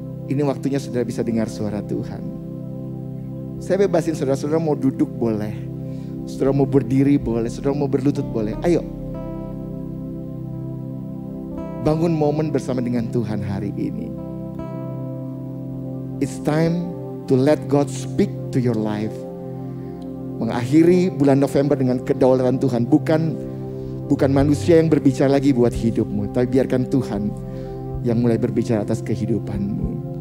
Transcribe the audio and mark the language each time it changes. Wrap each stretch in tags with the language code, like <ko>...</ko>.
<id>Ini waktunya saudara bisa dengar suara Tuhan. Saya bebasin saudara-saudara mau duduk boleh, saudara mau berdiri boleh, saudara mau berlutut boleh. Ayo, bangun momen bersama dengan Tuhan hari ini.</id> <en>It's time to let God speak to your life.</en> <id>Mengakhiri bulan November dengan kedaulatan Tuhan. Bukan manusia yang berbicara lagi buat hidupmu, tapi biarkan Tuhan yang mulai berbicara atas kehidupanmu.</id>